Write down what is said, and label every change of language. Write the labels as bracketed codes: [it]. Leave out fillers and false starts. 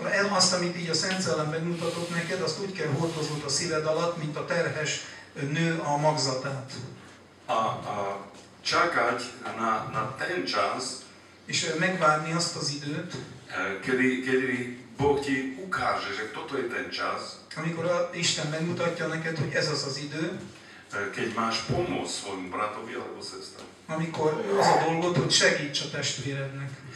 [hu] Azt, amit így a Szent Szellemben mutatott neked, azt úgy kell hordoznod a szíved alatt, mint a terhes nő a magzatát. [sk] A csakať na ten čas, [hu] és megvárni azt az időt, [sk] kedy Boh ti ukáže, že toto je ten čas, [hu] amikor Isten megmutatja neked, hogy ez az az idő, [sk] keď máš pomôcť svojmu bratovi alebo sestre. [hu] Amikor az a dolgot, hogy segíts a testvérednek.